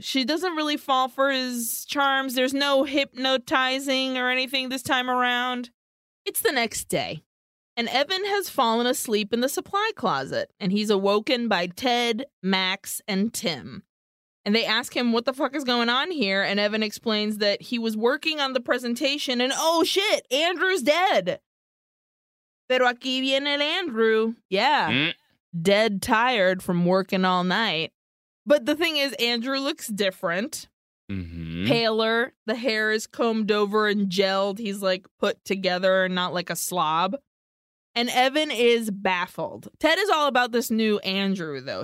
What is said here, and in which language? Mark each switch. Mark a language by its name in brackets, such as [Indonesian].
[English] She doesn't really fall for his charms. There's no hypnotizing or anything this time around. It's the next day. And Evan has fallen asleep in the supply closet, and he's awoken by Ted, Max, and Tim. And they ask him what the fuck is going on here, and Evan explains that he was working on the presentation, and oh shit, Andrew's dead. [Spanish] Pero aquí viene el Andrew. [English] Yeah. Dead tired from working all night. But the thing is, Andrew looks different. Mm-hmm. Paler. The hair is combed over and gelled. He's like put together and not like a slob. And Evan is baffled. Ted is all about this new Andrew, though.